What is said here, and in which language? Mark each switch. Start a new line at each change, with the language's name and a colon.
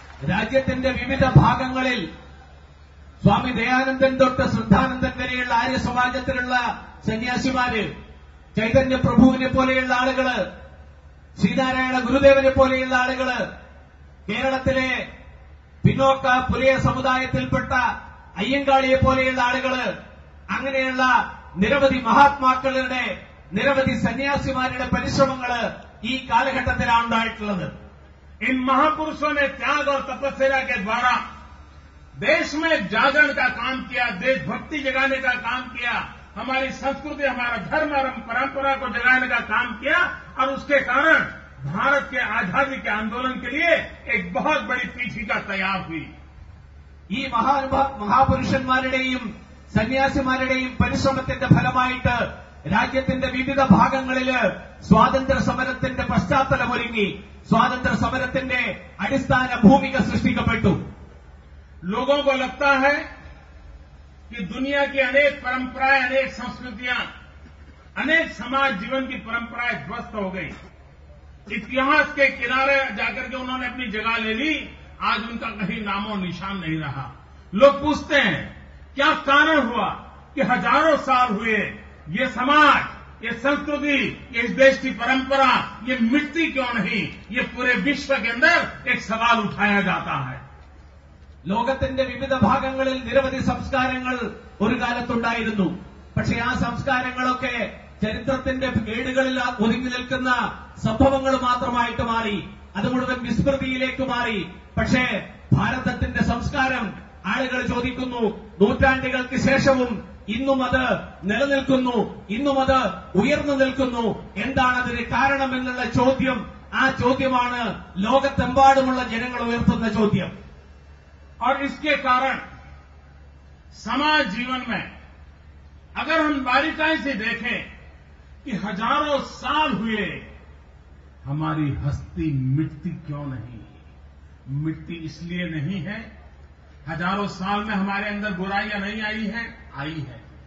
Malayalam: രാജ്യത്തിന്റെ വിവിധ ഭാഗങ്ങളിൽ സ്വാമി ദയാനന്ദൻ തൊട്ട് ശ്രദ്ധാനന്ദൻ വരെയുള്ള ആര്യ സമാജത്തിലുള്ള സന്യാസിമാര്, ചൈതന്യ പ്രഭുവിനെ പോലെയുള്ള ആളുകള്, ശ്രീനാരായണ ഗുരുദേവനെ പോലെയുള്ള ആളുകള്, കേരളത്തിലെ പിന്നോക്ക പുലയ സമുദായത്തിൽപ്പെട്ട അയ്യങ്കാളിയെ പോലെയുള്ള ആളുകള്, അങ്ങനെയുള്ള നിരവധി മഹാത്മാക്കളുടെ, നിരവധി സന്യാസിമാരുടെ പരിശ്രമങ്ങള് ഈ കാലഘട്ടത്തിലാണ് ഉണ്ടായിട്ടുള്ളത്.
Hindi: ഇൻ മഹാപുരുഷോനെ ത്യാഗ തപസ്യരാക്കിയ ദ്വാര देश में जागरण का काम किया, देश भक्ति जगाने का काम किया, हमारी संस्कृति, हमारा धर्म और परंपरा को जगाने का काम किया, और उसके कारण भारत के आजादी के आंदोलन के लिए एक बहुत बड़ी पीठिका तैयार हुई.
Malayalam: ഈ മഹാപുരുഷന്മാരുടെയും സന്യാസിമാരുടെയും പരിശ്രമത്തിന്റെ ഫലമായിട്ട് രാജ്യത്തിന്റെ വിവിധ ഭാഗങ്ങളിൽ സ്വാതന്ത്ര്യ സമരത്തിന്റെ പശ്ചാത്തലം ഒരുങ്ങി, സ്വാതന്ത്ര്യ സമരത്തിന്റെ അടിസ്ഥാന ഭൂമിക സൃഷ്ടിക്കപ്പെട്ടു.
Hindi: लोगों को लगता है कि दुनिया की अनेक परंपराएं, अनेक संस्कृतियां, अनेक समाज जीवन की परंपराएं ध्वस्त हो गई. इतिहास के किनारे जाकर के उन्होंने अपनी जगह ले ली. आज उनका कहीं नामो निशान नहीं रहा. लोग पूछते हैं क्या कारण हुआ कि हजारों साल हुए ये समाज, ये संस्कृति, ये इस देश की परंपरा ये मिटती क्यों नहीं. ये पूरे विश्व के अंदर एक सवाल उठाया जाता है.
Malayalam: ലോകത്തിന്റെ വിവിധ ഭാഗങ്ങളിൽ നിരവധി സംസ്കാരങ്ങൾ ഒരു കാലത്തുണ്ടായിരുന്നു. പക്ഷെ ആ സംസ്കാരങ്ങളൊക്കെ ചരിത്രത്തിന്റെ കേടുകളിൽ ഒതുങ്ങി നിൽക്കുന്ന സംഭവങ്ങൾ മാത്രമായിട്ട് മാറി, അത് മുഴുവൻ വിസ്മൃതിയിലേക്ക് മാറി. പക്ഷേ ഭാരതത്തിന്റെ സംസ്കാരം ആളുകൾ ചോദിക്കുന്നു, നൂറ്റാണ്ടുകൾക്ക് ശേഷവും ഇന്നും അത് നിലനിൽക്കുന്നു, ഇന്നും അത് ഉയർന്നു നിൽക്കുന്നു, എന്താണതിന് കാരണമെന്നുള്ള ചോദ്യം, ആ ചോദ്യമാണ് ലോകത്തെമ്പാടുമുള്ള ജനങ്ങൾ ഉയർത്തുന്ന ചോദ്യം.
Hindi: और इसके कारण समाज जीवन में अगर हम बारीकाई से देखें कि हजारों साल हुए हमारी हस्ती मिटती क्यों नहीं. मिटती इसलिए नहीं है, हजारों साल में हमारे अंदर बुराइयां नहीं आई है, आई है.